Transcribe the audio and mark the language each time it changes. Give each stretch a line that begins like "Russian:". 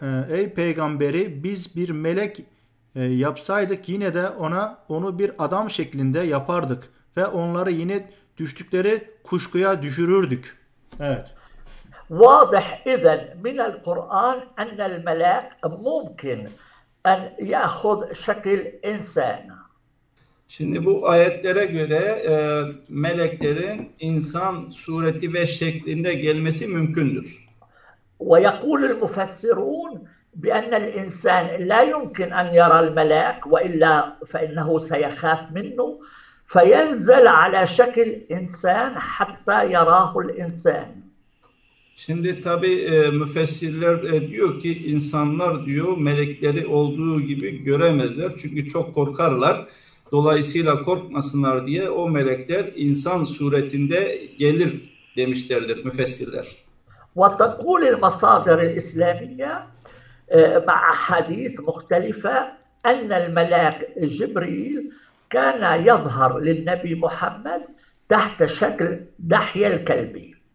Turkish: Ey peygamberi biz bir melek yapsaydık yine de onu bir adam şeklinde yapardık ve onları yine düştükleri kuşkuya düşürürdük. Evet.
Arabic: واضح إذن من القرآن أن الملاك ممكن أن يأخذ شكل إنسان.
Turkish: Şimdi bu ayetlere göre meleklerin insan sureti ve şeklinde gelmesi mümkündür.
Arabic: ويقول المفسرون بأن الإنسان لا يمكن أن يرى الملاك وإلا فإنه سيخاف منه فينزل على شكل إنسان حتى يراه الإنسان.
Turkish: Şimdi tabii müfessirler diyor ki insanlar diyor melekleri olduğu gibi göremezler çünkü çok korkarlar. Dolayısıyla korkmasınlar diye o melekler insan suretinde gelir demişlerdir müfessirler.
Arabic: وتقول المصادر الإسلامية مع أحاديث مختلفة أن الملاك جبريل كان يظهر للنبي محمد تحت شكل دحية الكلبي.